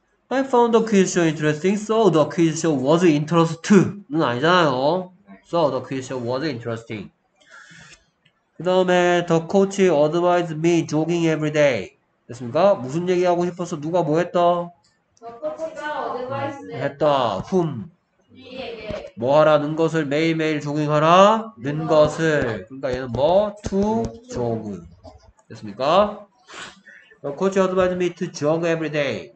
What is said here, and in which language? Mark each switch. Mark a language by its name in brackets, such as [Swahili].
[English] I found the quiz show interesting, so the quiz show was interested. [Korean] 는 아니잖아요. [English] So the quiz show was interesting. [Korean] 그 다음에 [English] the coach advised me jogging every day. [Korean] 됐습니까? 무슨 얘기 하고 싶어서 누가 뭐 했다? [English] The coach가 advised me. [Korean] 했다. [English] Whom? Me. [Korean] 뭐 하라는 것을 매일매일 종행하라 는 것을. 그러니까 얘는 뭐? to 조그. 됐습니까? [English] The coach advised me to jog every day.